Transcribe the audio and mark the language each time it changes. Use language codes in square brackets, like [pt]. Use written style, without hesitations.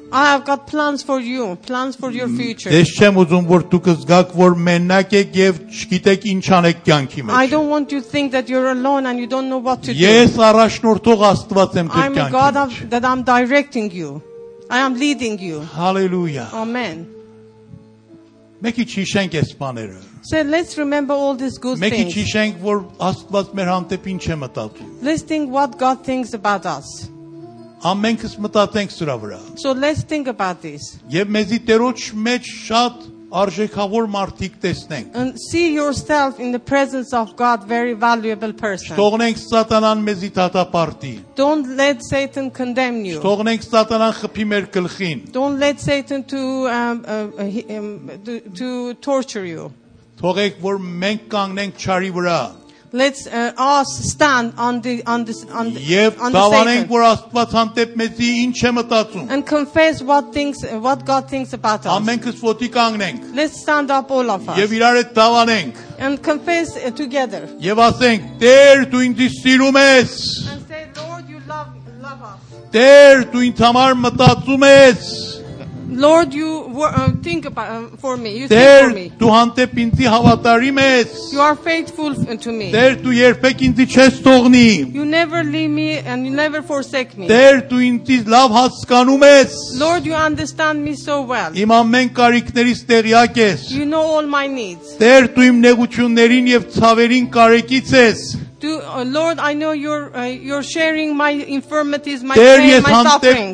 [en] I have got plans for you, plans for your future. [hy] Ես չեմ ուզում որ դուք զգաք որ մենակ եք եւ չգիտեք ինչ անեք կյանքի մեջ. [en] I don't want you to think that you're alone and you don't know what to do. [hy] Ես առաջնորդող Աստված եմ ձեր կյանքի մեջ. [en] I'm God that I'm directing you. I am leading you. Hallelujah. Amen. [hy] Մեկի չհիշենք այս բաները. [en] So let's remember all these good [hy] Մեկի [en] things. [hy] Մեկի չհիշենք որ Աստված մեր հանդեպ ինչ է մտածում. [en] Let's think what God thinks about us. [hy] Ամենքս մտածենք սրա վրա. [en] So let's think about this. [hy] Եվ մեզի տերոջ մեջ շատ արժեքավոր մարդիկ տեսնենք. [en] And see yourself in the presence of God, very valuable person. [hy] Չթողնենք Սատանան մեզի դատապարտի. [en] Don't let Satan condemn you. [hy] Չթողնենք Սատանան խփի մեր գլխին. [en] Don't let Satan to torture you. [hy] Թողեք որ մենք կանգնենք չարի վրա. [en] Let's us stand on the Satan. And confess what God thinks about us. Let's stand up all of us. And confess together. [hy] Եվ ասենք, Տեր, դու ինձի սիրում ես. [en] And say, Lord, you love us. [hy] Տեր, դու ինձ համար մտածում ես. [en] Lord, you think about for me. You Der, think for me. [hy] Դու հանդեպ ինձի հավատարիմ ես. [en] You are faithful to me. [hy] Der, դու երբեք ինձի չես թողնի. [en] You never leave me and you never forsake me. [hy] Der, դու ինձի լավ հասկանում ես. [en] Lord, you understand me so well. [hy] Իմ ամեն կարիքներից տեղյակ ես. [en] You know all my needs. [hy] Der, դու իմ նեղություններին եւ ցավերին կարեկից ես. [en] Lord, I know you're sharing my infirmities, my pain, my suffering.